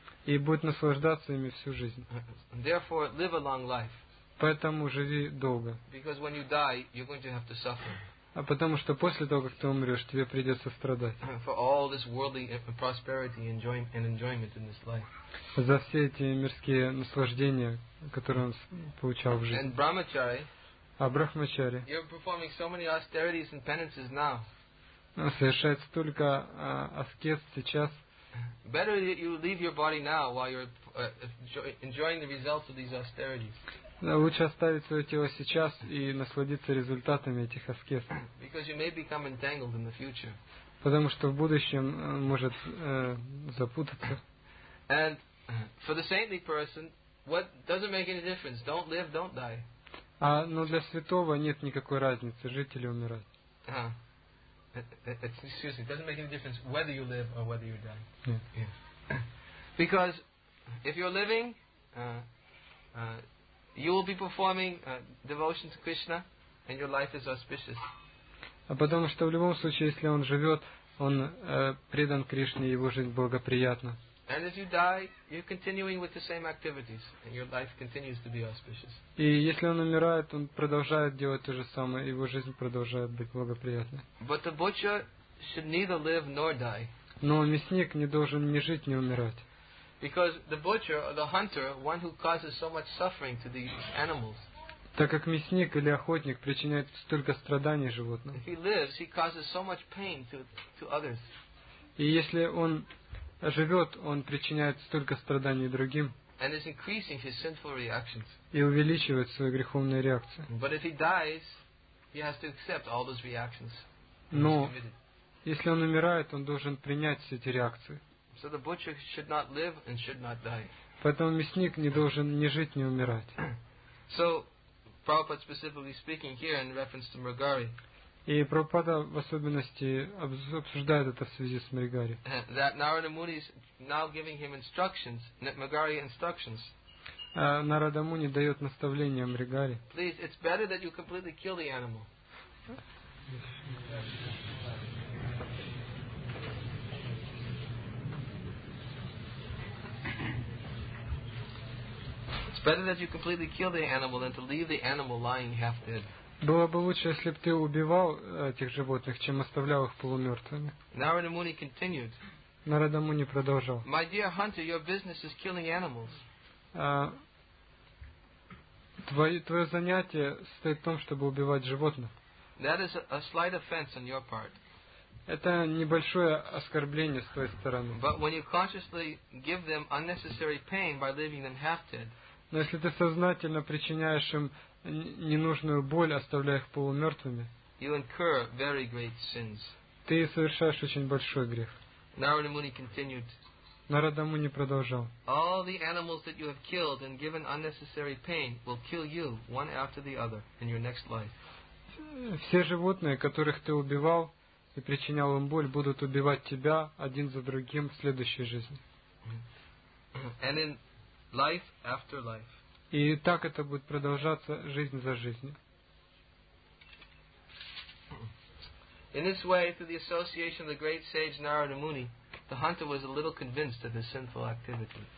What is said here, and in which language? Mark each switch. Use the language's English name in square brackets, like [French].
[Russian] И будет наслаждаться ими всю жизнь. [English] Therefore, live a long life. [Russian] Поэтому живи долго. [English] Because when you die, you're going to have to suffer. [Russian] А потому что после того, как ты умрешь, тебе придется страдать. [English] For all this worldly prosperity and enjoyment in this life. [Russian] За все эти мирские наслаждения, которые он получал в жизни. [English] And brahmachari. [Russian] А брахмачари. [English] You're performing so many austerities and penances now. [Russian] Совершает столько аскез сейчас. [English] Better that you leave your body now while you're enjoying the results of these austerities. [Russian] Лучше оставить свое тело сейчас и насладиться результатами этих аскез. [English] Because you may become entangled in the future. [Russian] Потому что в будущем может запутаться. [English] And for the saintly person, what doesn't make any difference? Don't live, don't die. [Russian] Но для святого нет никакой разницы, жить или умирать. [English] Excuse me, it doesn't make any difference whether you live or whether you die. Yeah. Because if you're living, you will be performing devotion to Krishna, and your life is auspicious. [Russian] А потому что в любом случае, если он живет, он предан Кришне, его жизнь благоприятна. [English] And if you die, you're continuing with the same activities, and your life continues to be auspicious. [Russian] И если он умирает, он продолжает делать то же самое, его жизнь продолжает быть благоприятной. [English] But the butcher should neither live nor die. [Russian] Но мясник не должен ни жить, ни умирать. [English] Because the butcher or the hunter, one who causes so much suffering to these animals. [Russian] Так как мясник или охотник причиняет столько страданий животным. [English] If he lives, he causes so much pain to others. [Russian] И если он живет, он причиняет столько страданий другим. [English] And is increasing his sinful reactions. [Russian] И увеличивает свои греховные реакции. [English] But if he dies, he has to accept all those reactions. [Russian] Но если он умирает, он должен принять все эти реакции. [English] So the butcher should not live and should not die. [Russian] Поэтому мясник не должен ни жить, ни умирать. [English] So, Prabhupada specifically speaking here in reference to Mrigari. [Russian] И Прабхупада в особенности обсуждает это в связи с Мригари. [English] That Narada Muni is now giving him instructions, Mrigari instructions. [Russian] Нарада Муни дает наставление Мригари. [English] Please, it's better that you completely kill the animal. It's better that you completely kill the animal than to leave the animal lying half dead. [Russian] Было бы лучше, если бы ты убивал этих животных, чем оставлял их полумертвыми. [English] Narada Muni continued. [Russian] Narada Muni продолжал. [English] My dear hunter, your business is killing animals. [Russian] Твое занятие состоит в том, чтобы убивать животных. [English] That is a slight offense on your part. [Russian] Это небольшое оскорбление с твоей стороны. [English] But when you consciously give them unnecessary pain by leaving them half dead. [Russian] Но если ты сознательно причиняешь им ненужную боль, оставляя их полумертвыми, [English] you incur very great sins. [Russian] Ты совершаешь очень большой грех. [English] Narada Muni continued. [Russian] Narada Muni продолжал. [English] All the animals that you have killed and given unnecessary pain will kill you one after the other in your next life. [Russian] Все животные, которых ты убивал и причинял им боль, будут убивать тебя один за другим в следующей жизни. [English] And in life after life. [Russian] И так это будет продолжаться жизнь за жизнью. [English] In this way, through the association of the great sage Narada Muni, the hunter was a little convinced of his sinful activity.